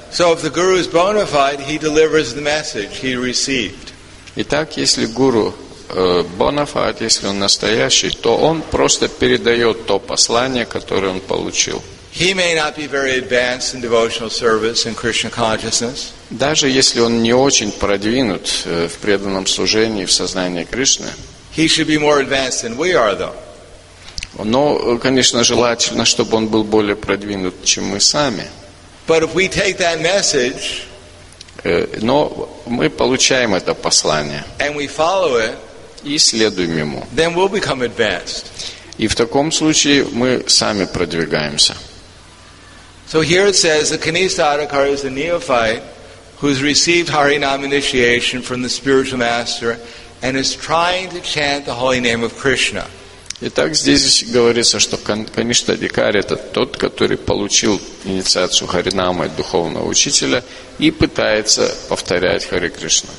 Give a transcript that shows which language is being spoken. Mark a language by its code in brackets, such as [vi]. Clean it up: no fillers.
[en] So if the guru is bona fide, he delivers the message he received. [ru] Итак, если гуру bona fide, если он настоящий, то он просто передает то послание, которое он получил. [en] He may not be very advanced in devotional service and Krishna consciousness. [ru] Даже если он не очень продвинут в преданном служении, в сознании Кришны. [en] He should be more advanced than we are, though. [ru] Но, конечно, желательно, чтобы он был более продвинут, чем мы сами. [en] But if we take that message, [ru] но мы получаем это послание. [en] And we follow it, [ru] и следуем ему. [en] Then we'll become advanced. [ru] И в таком случае мы сами продвигаемся. [en] So here it says the Kanista Adhikara is a neophyte who's received Harinam initiation from the spiritual master and is trying to chant the holy name of Krishna. [ru] Итак, здесь говорится, что Каништа Адхикари это тот, который получил инициацию Харинама от духовного учителя и пытается повторять Харе Кришна.